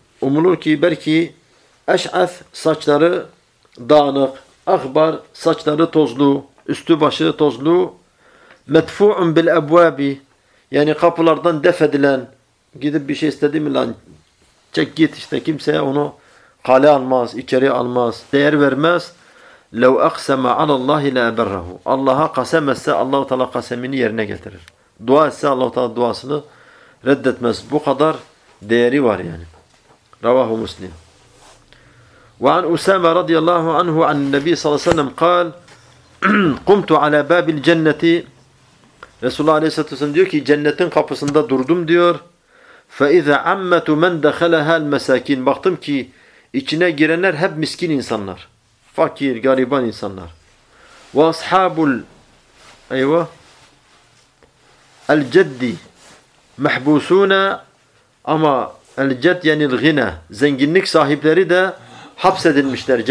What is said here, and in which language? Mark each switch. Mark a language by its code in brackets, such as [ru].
[tr] Umulur ki belki eş'as saçları dağınık, akbar saçları tozlu, üstü başı tozlu [ar] metfu'un bil ebvâbi [tr] yani kapılardan def edilen gidip bir şey istedi mi lan çek git işte kimseye onu kale almaz, içeri almaz, değer vermez. [ar] لَوْ اَقْسَمَ عَلَى اللّٰهِ لَاَبَرَّهُ [tr] Allah'a kasem etse Allah-u Teala kasemini yerine getirir. Dua etse Allah-u Teala duasını reddetmez. Bu kadar değeri var yani. [ar] رَوَهُ مُسْلِمٌ وَعَنْ اُسَامَ رَضِيَ اللّٰهُ عَنْهُ عَنْ النَّبِيِّ صَلَى اللّٰهُ عَلَيْهِ وَسَلَّمْ قَالْ قُمْتُ عَلَى بَابِ الْجَنَّةِ [tr] Resulullah Aleyhisselatü Vesselam diyor ki cennetin kapısında durdum diyor. [ar] فَاِذَا عَمَّتُ مَنْ دَخَلَهَا الْمَسَاك۪ينَ [tr] Baktım ki içine girenler hep miskin insanlar. Fakir, gariban insanlar. Ve [ar] ashabul eyva el ceddi mehbusuna [tr] ama el cedd yani el gina zenginlik sahipleri de hapsedilmişler.